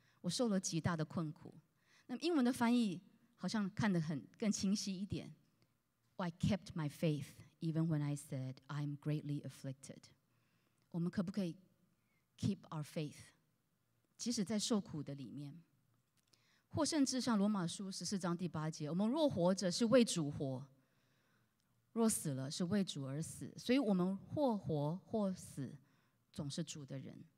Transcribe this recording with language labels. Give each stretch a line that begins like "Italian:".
Chinese: 我受了极大的困苦。” 那么英文的翻译好像看得很更清晰一点。
English: I kept my faith even when I said I'm greatly afflicted.
Chinese: 我们可不可以
English: keep our faith，
Chinese: 即使在受苦的里面，或甚至像罗马书14章第8节，我们若活着是为主活。若死了是为主而死，所以我们或活或死总是主的人。